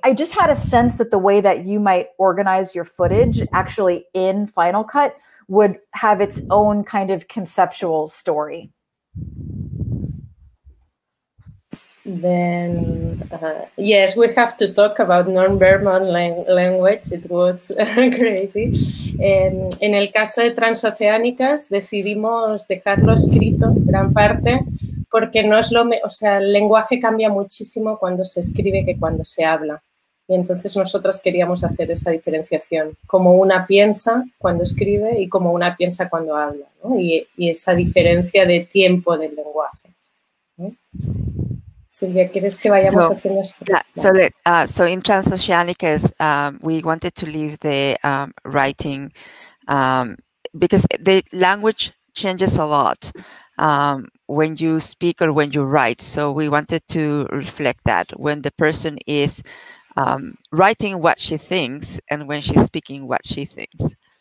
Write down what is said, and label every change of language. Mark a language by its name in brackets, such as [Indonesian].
[English] I just had a sense that the way that you might organize your footage actually in Final Cut would have its own kind of conceptual story. Then, yes, we have to talk about non-verbal language. It was crazy. [Spanish] En el caso de Transoceánicas, decidimos dejarlo escrito, gran parte, porque no es lo, o sea, el lenguaje cambia muchísimo cuando se escribe que cuando se habla. Y entonces nosotros queríamos hacer esa diferenciación, como una piensa cuando escribe y como una piensa cuando habla, ¿no? Y esa diferencia de tiempo del lenguaje, ¿no? [English] So in Transoceánicas, we wanted to leave the writing because the language changes a lot when you speak or when you write. So we wanted to reflect that when the person is writing what she thinks and when she's speaking what she thinks.